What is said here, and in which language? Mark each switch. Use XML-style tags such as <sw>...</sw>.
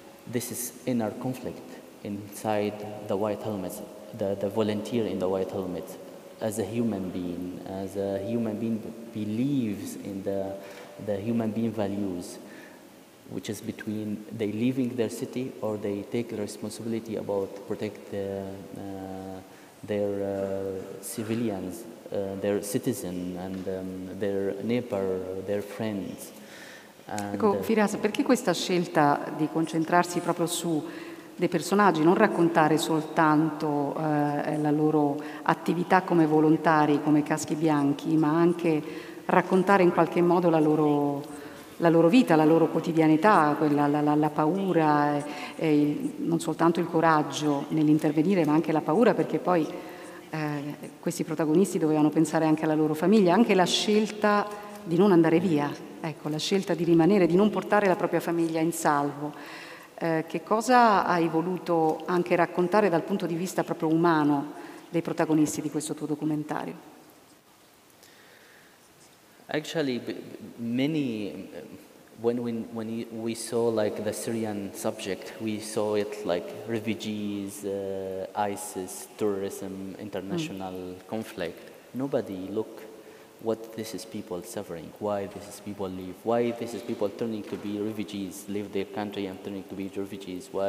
<en>this is inner conflict inside the white helmets, the volunteer in the white helmet, as a human being believes in the human being values, which is between they leaving their city or they take responsibility about protect their civilians, their citizen and their neighbor, their friends.</en> <it>Ecco, Firas, perché questa scelta di concentrarsi proprio su dei personaggi, non raccontare soltanto la loro attività come volontari, come caschi bianchi, ma anche raccontare in qualche modo la loro vita, la loro quotidianità, la paura, non soltanto il coraggio nell'intervenire, ma anche la paura, perché poi questi protagonisti dovevano pensare anche alla loro famiglia, anche la scelta di non andare via, ecco, la scelta di rimanere, di non portare la propria famiglia in salvo. Che cosa hai voluto anche raccontare dal punto di vista proprio umano dei protagonisti di questo tuo documentario?</it> <en>Actually, many when we saw like the Syrian subject, we saw it like refugees, ISIS, terrorism, international conflict. Nobody look what this is people suffering, why this is people leave, why this is people turning to be refugees, leave their country and turning to be refugees.</en>